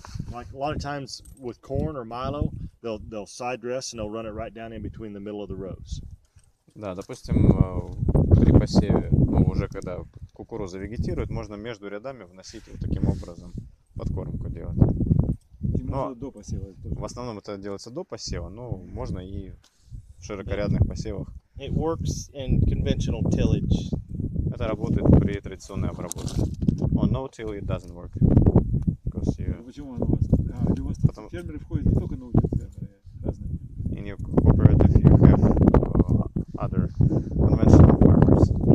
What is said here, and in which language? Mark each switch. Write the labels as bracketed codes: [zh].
[en] Like a lot of times with corn or milo, they'll side dress and they'll run it right down in between the middle of the rows. [ru] Да, допустим, при посеве, ну уже когда... Кукуруза вегетирует, можно между рядами вносить вот таким образом подкормку делать. И можно до посева тоже. В основном это делается до посева, но можно и в широкорядных посевах. [en] It works in conventional tillage. [ru] Это работает при традиционной обработке. [en] On no-till it doesn't work. Because you... [ru] Почему оно у вас? У вас потом... фермеры входят не только no-till фермеры, разные. [en] In your cooperative you have other conventional farmers.